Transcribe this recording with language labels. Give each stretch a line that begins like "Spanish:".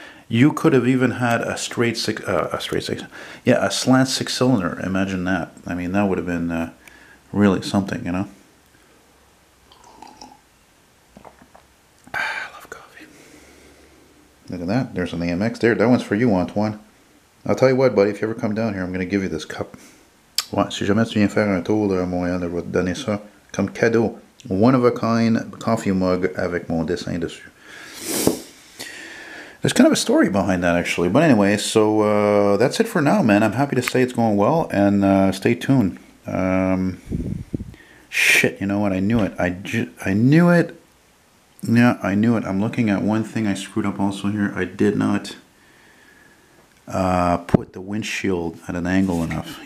English: You could have even had a straight six, a slant six cylinder. Imagine that. I mean, that would have been really something, you know. Ah, I love coffee. Look at that. There's an AMX there. That one's for you, Antoine. I'll tell you what, buddy. If you ever come down here, I'm gonna give you this cup. What?
French: Si jamais tu viens faire un tour à Montréal, je vais te donner ça comme cadeau.
English: One of a kind coffee mug
French: avec mon dessin dessus.
English: There's kind of a story behind that, actually. But anyway, so that's it for now, man. I'm happy to say it's going well, and stay tuned. Shit, you know what? I knew it. Yeah, I knew it. I'm looking at one thing I screwed up also here. I did not put the windshield at an angle enough.